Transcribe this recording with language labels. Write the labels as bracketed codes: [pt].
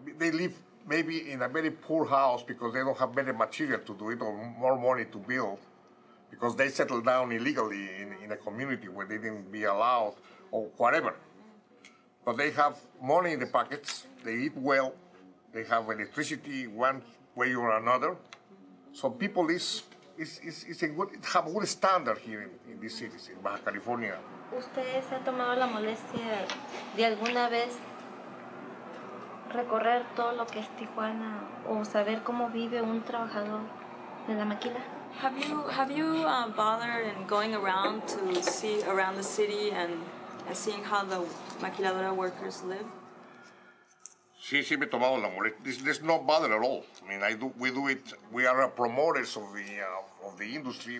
[en] They live maybe in a very poor house because they don't have better material to do it or more money to build, because they settled down illegally in a community where they didn't be allowed or whatever. But they have money in the pockets, they eat well, they have electricity one way or another. So people have a good standard here in these cities, in Baja California. [es] ¿Ustedes han tomado la molestia de alguna vez recorrer todo lo que es Tijuana o saber cómo vive un trabajador de la maquila? [en] Have you bothered in going around to see around the city and seeing how the maquiladora workers live? [es] Sí, sí, me he tomado la molestia. [en] There's no bother at all. I mean, we do it. We are promoters of the industry.